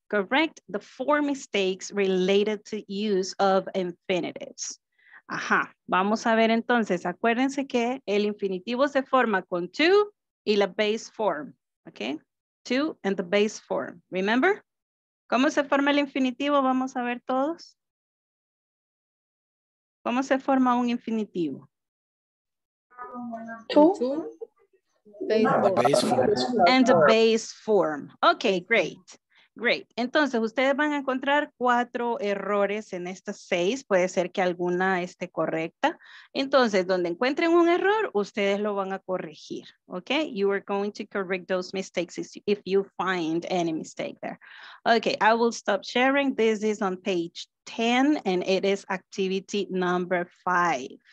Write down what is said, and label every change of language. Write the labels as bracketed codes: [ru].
[en] Correct the four mistakes related to use of infinitives. [es] Ajá, vamos a ver entonces. Acuérdense que el infinitivo se forma con to y la base form. [en] Okay, to and the base form. Remember? [es] ¿Cómo se forma el infinitivo? Vamos a ver todos. ¿Cómo se forma un infinitivo? [en] To. Base form. And the base form. Okay, great. Great. [es] Entonces, ustedes van a encontrar cuatro errores en estas seis. Puede ser que alguna esté correcta. Entonces, donde encuentren un error, ustedes lo van a corregir. [en] Okay? You are going to correct those mistakes if you find any mistake there. Okay, I will stop sharing. This is on page 10 and it is activity number 5.